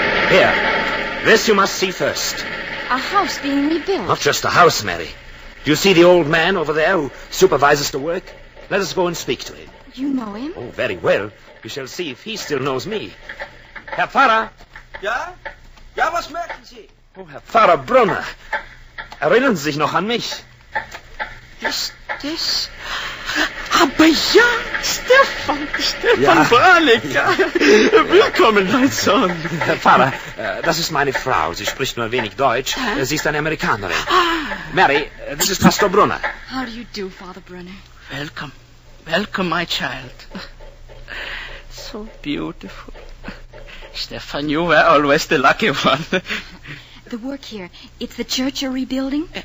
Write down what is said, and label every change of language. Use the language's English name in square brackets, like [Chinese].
[English] Here. This you must see first. A house being rebuilt. Not just a house, Mary. Do you see the old man over there who supervises the work? Let us go and speak to him. You know him? Oh, very well. We shall see if he still knows me. [German] Herr Pfarrer? Ja? Ja, was merken Sie? Oh, Herr Pfarrer Brunner. Erinnern Sie sich noch an mich? Ist das... Aber ja, Stefan ja. Brannock. Ja. Willkommen, mein Sohn. Herr Pfarrer, das ist meine Frau. Sie spricht nur ein wenig Deutsch. Hä? Sie ist eine Amerikanerin. Ah. [English] Mary, this is Pastor Brunner. How do you do, Father Brunner? Welcome, my child. So beautiful. Stefan, you were always the lucky one. The work here, it's the church you're rebuilding?